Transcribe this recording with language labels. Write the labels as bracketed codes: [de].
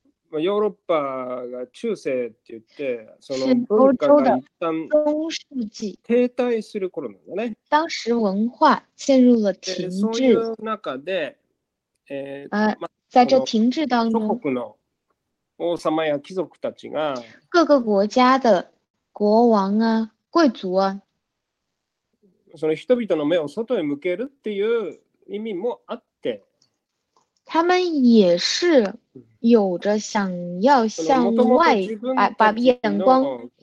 [ja] まあ、ヨーロッパが中世って言って、その文化が一旦停滞する頃なんだね。 [zh] 当時文化陷入了停滞。 [ja] そういう中で、 [zh] まあ、在这停滞当中、 [ja] 諸国の王様や貴族たちが、 [zh] 各个国家的国王啊、贵族啊、 [ja] その人々の目を外へ向けるっていう意味もあって、 [zh] 他们也是有着想要向外把眼光